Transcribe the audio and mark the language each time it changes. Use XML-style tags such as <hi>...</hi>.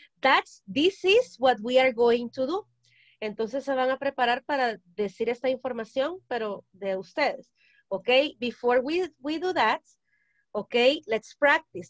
<en>That's, this is what we are going to do.</en> <es>Entonces se van a preparar para decir esta información, pero de ustedes.</es> <en>Ok, before we do that, ok, let's practice.</en>